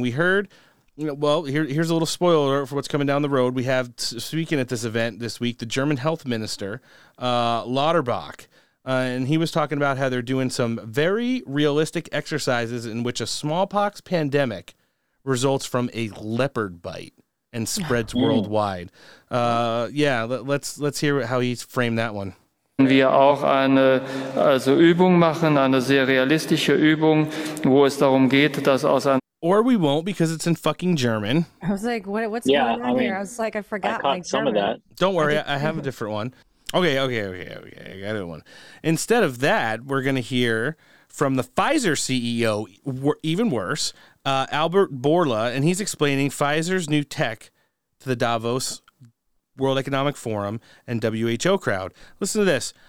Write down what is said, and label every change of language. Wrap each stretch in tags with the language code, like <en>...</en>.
<en>We heard, well, here's a little spoiler for what's coming down the road. We have speaking at this event this week, the German health minister, Lauterbach, and he was talking about how they're doing some very realistic exercises in which a smallpox pandemic results from a leopard bite and spreads worldwide. Let's hear how he's framed that one.</en> <de>Wir auch eine also Übung machen, eine sehr realistische Übung, wo es darum geht, dass aus einem...</de> <en>Or we won't, because it's in fucking German. I was like, what's going on here? I was like, I forgot my German. Some of that. Don't worry, I have a different one. Okay. I got a different one. Instead of that, we're going to hear from the Pfizer CEO, even worse, Albert Bourla, and he's explaining Pfizer's new tech to the Davos World Economic Forum and WHO crowd. Listen to this.</en>